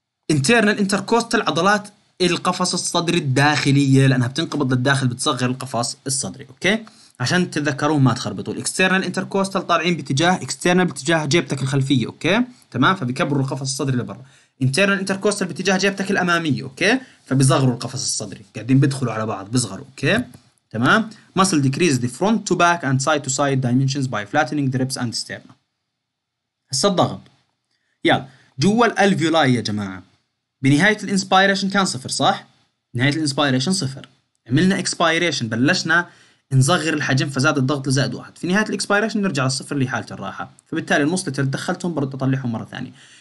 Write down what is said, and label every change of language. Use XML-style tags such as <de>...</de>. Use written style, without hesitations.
<ar>انترنال انتركوستال عضلات القفص الصدري الداخليه لانها بتنقبض للداخل بتصغر القفص الصدري اوكي، عشان تتذكرون ما تخربطوا. الاكسترنال انتركوستال طالعين باتجاه اكسترنال باتجاه جيبتك الخلفيه اوكي تمام، فبيكبروا القفص الصدري لبرا. انترنال انتركوستال باتجاه جيبتك الاماميه اوكي، فبيصغروا القفص الصدري قاعدين بيدخلوا على بعض بيصغروا اوكي تمام.</ar> <en>muscle decrease the front to back and side to side dimensions by flattening the ribs and sternum.</en> <ar>هسه الضغط يلا جوا الالفيولاي يا جماعه بنهايه الانسبيريشن كان صفر صح؟ نهايه الانسبيريشن صفر، عملنا اكسبيريشن بلشنا نصغر الحجم فزاد الضغط لزائد واحد، في نهايه الاكسبيريشن نرجع للصفر لحاله الراحه، فبالتالي المسلتر اللي دخلتهم برد اطلعهم مره ثانيه.</ar>